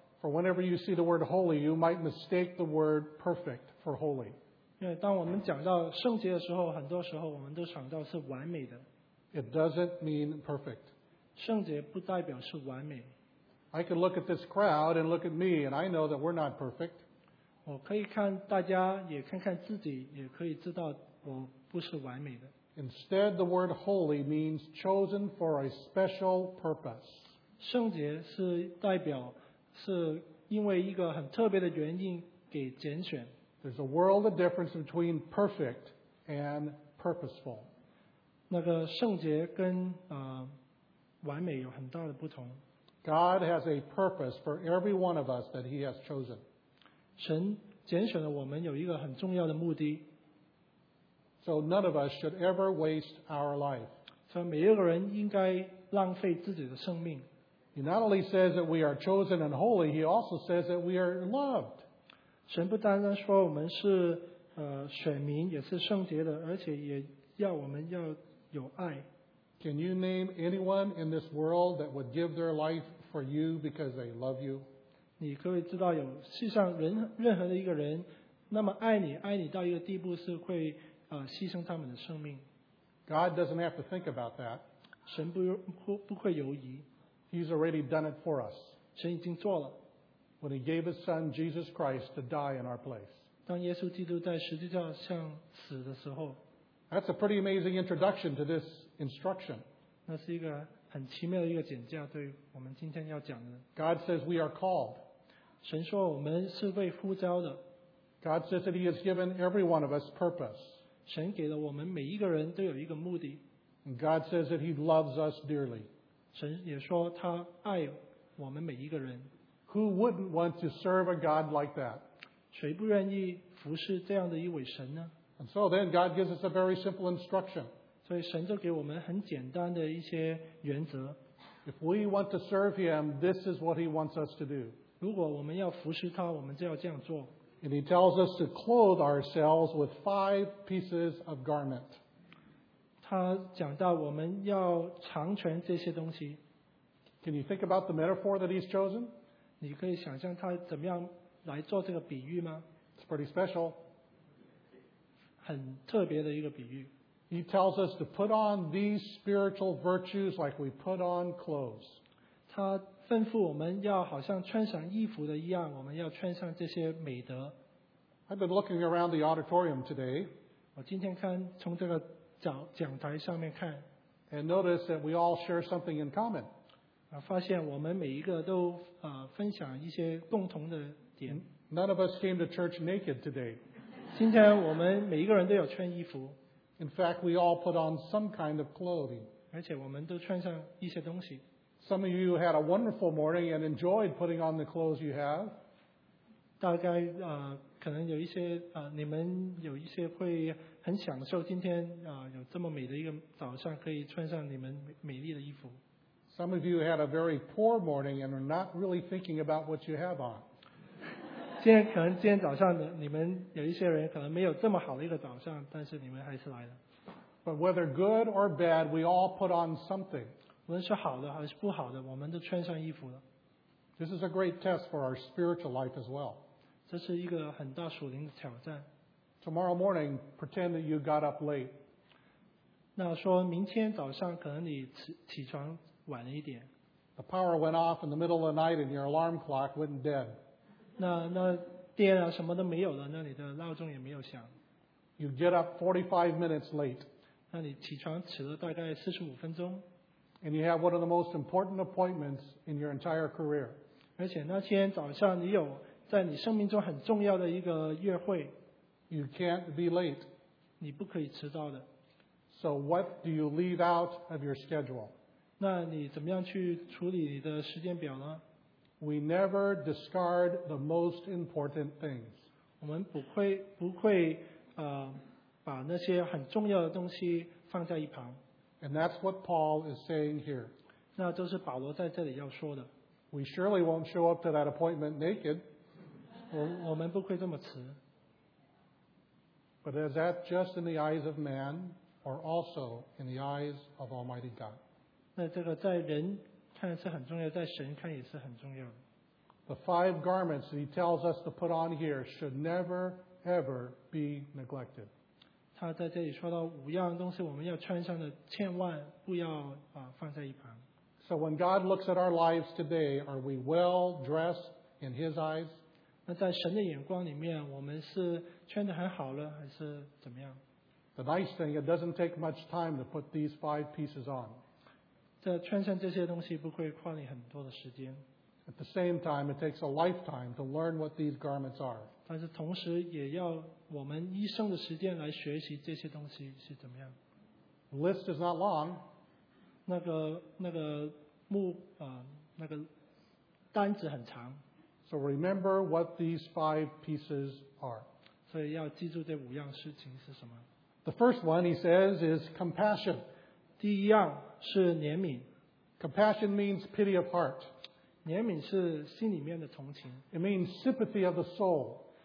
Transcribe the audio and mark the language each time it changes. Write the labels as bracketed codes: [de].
[en] For whenever you see the word holy, you might mistake the word perfect for holy. [zh] 因为当我们讲到圣洁的时候，很多时候我们都想到是完美的。 [en] It doesn't mean perfect. [zh] 圣洁不代表是完美。 [en] I can look at this crowd and look at me, and I know that we're not perfect. [zh] 我可以看大家，也看看自己，也可以知道我不是完美的。 [en] Instead, the word holy means chosen for a special purpose. [zh] 圣洁是代表是因为一个很特别的原因给拣选。 [en] There's a world of difference between perfect and purposeful. [zh] 那个圣洁跟完美有很大的不同。 [en] God has a purpose for every one of us that He has chosen. [zh] 神拣选了我们有一个很重要的目的。 [en] So none of us should ever waste our life. [zh] 所以每一个人应该浪费自己的生命。 [en] He not only says that we are chosen and holy, He also says that we are loved. [zh] 神不单单说我们是选民，也是圣洁的，而且也要我们要有爱。 [en] Can you name anyone in this world that would give their life for you because they love you? [zh] 你可以知道有世上任何的一个人那么爱你，爱你到一个地步是会牺牲他们的生命。 [en] God doesn't have to think about that. [zh] 神不会犹疑。 [en] He's already done it for us. [zh] 神已经做了。 [en] When He gave His Son Jesus Christ to die in our place. [zh] 当耶稣基督在十字架上死的时候。 [en] That's a pretty amazing introduction to this instruction. [zh] 那是一个很奇妙的一个简介，对我们今天要讲的。 [en] God says we are called. [zh] 神说我们是被呼召的。 [en] God says that He has given every one of us purpose. [zh] 神给了我们每一个人都有一个目的。 [en] And God says that He loves us dearly. [zh] 神也说他爱我们每一个人。 [en] Who wouldn't want to serve a God like that? [zh] 谁不愿意服侍这样的一位神呢？ [en] And so then God gives us a very simple instruction. [zh] 所以神就给我们很简单的一些原则。 [en] If we want to serve Him, this is what He wants us to do. [zh] 如果我们要服侍他，我们就要这样做。 [en] And he tells us to clothe ourselves with five pieces of garment. [zh] 他讲到我们要长穿这些东西。 [en] Can you think about the metaphor that he's chosen? [zh] 你可以想象他怎么样来做这个比喻吗? [en] It's pretty special. [zh] 很特别的一个比喻。 [en] He tells us to put on these spiritual virtues like we put on clothes. [zh] 他吩咐我们要好像穿上衣服的一样，我们要穿上这些美德。 [en] I've been looking around the auditorium today. [zh] 我今天看从这个讲台上面看。 [en] And notice that we all share something in common. [zh] 发现我们每一个都分享一些共同的点。 [en] None of us came to church naked today. [zh] 今天我们每一个人都有穿衣服。 [en] In fact, we all put on some kind of clothing. [zh] 而且我们都穿上一些东西。 [en] Some of you had a wonderful morning and enjoyed putting on the clothes you have. [zh] 大概可能有一些你们有一些会很享受今天有这么美的一个早上，可以穿上你们美丽的衣服。 [en] Some of you had a very poor morning and are not really thinking about what you have on. [zh] 今天早上你们有一些人可能没有这么好的一个早上，但是你们还是来了。 [en] But whether good or bad, we all put on something. [zh] 无论是好的还是不好的，我们都穿上衣服了。 [en] This is a great test for our spiritual life as well. [zh] 这是一个很大属灵的挑战。 [en] Tomorrow morning, pretend that you got up late. [zh] 那说明天早上可能你起床晚了一点。 [en] The power went off in the middle of the night and your alarm clock went dead. [zh] 那电啊什么都没有了，那你的闹钟也没有响。 [en] You get up 45 minutes late. [zh] 那你起床迟了大概45分钟。 [en] And you have one of the most important appointments in your entire career. [zh] 而且那天早上你有在你生命中很重要的一个约会。 [en] You can't be late. [zh] 你不可以迟到的。 [en] So what do you leave out of your schedule? [zh] 那你怎么样去处理你的时间表呢? [en] We never discard the most important things. [zh] 我们不会把那些很重要的东西放在一旁。 [en] And that's what Paul is saying here. [zh] 那就是保罗在这里要说的。 [en] We surely won't show up to that appointment naked. [zh] 我们不会这么迟。 [en] But is that just in the eyes of man or also in the eyes of Almighty God? [zh] 那这个在人看是很重要，在神看也是很重要的。 [en] The five garments that he tells us to put on here should never, ever be neglected. [zh] 他在这里说到五样东西我们要穿上的千万不要放在一旁。 [en] So when God looks at our lives today, are we well dressed in His eyes? [zh] 那在神的眼光里面我们是穿得很好了还是怎么样? [en] The nice thing, it doesn't take much time to put these five pieces on. [zh] 这穿上这些东西不会花你很多的时间。 [en] At the same time, it takes a lifetime to learn what these garments are. [zh] 但是同时也要我们一生的时间来学习这些东西是怎么样。 [en] The list is not long. [zh] 那个单子很长。 [en] So remember what these five pieces are. [zh] 所以要记住这五样事情是什么。 [en] The first one, he says, is compassion. [zh] 第一样是怜悯。 [en] Compassion means pity of heart. [zh] 怜悯是心里面的同情。 [en] It means sympathy of the soul.